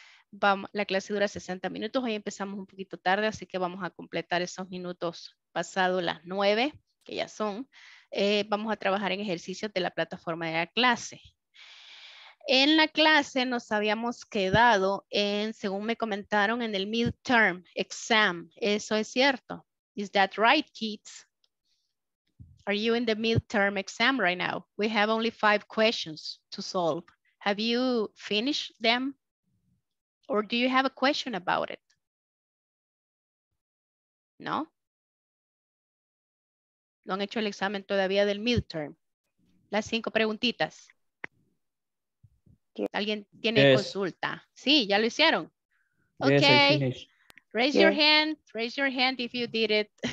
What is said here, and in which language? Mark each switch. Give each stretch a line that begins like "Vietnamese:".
Spanish: Vamos, la clase dura 60 minutos, hoy empezamos un poquito tarde, así que vamos a completar esos minutos pasado las 9, que ya son. Vamos a trabajar en ejercicios de la plataforma de la clase. En la clase nos habíamos quedado en, según me comentaron, en el midterm exam. ¿Eso es cierto?
English: Is that right, kids? Are you in the midterm exam right now? We have only 5 questions to solve. Have you finished them? Or do you have a question about it? No?
Spanish: ¿No han hecho el examen todavía del midterm? Las 5 preguntitas. ¿Alguien tiene consulta? Sí, ya lo hicieron.
English: Ok. Yes, I finished. Raise your hand. Raise your hand if you did it.